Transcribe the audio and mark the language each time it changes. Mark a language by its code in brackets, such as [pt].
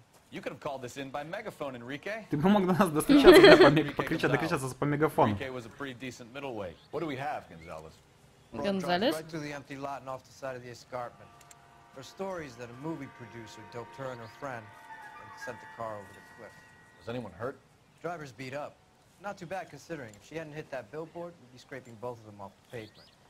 [en] You could have called this in by megaphone, Enrique. [ru] Ты бы мог до нас достучаться, да, докричаться по мегафону. [en] Enrique was a pretty decent middleweight. What do we have, Gonzalez? Gonzalez? Right through the empty lot and off the side of the escarpment. For stories that a movie producer doped her and her friend and sent the car over the cliff. Was anyone hurt? Driver's beat up. Not too bad considering. If she hadn't hit that billboard, we'd be scraping both of them off the pavement.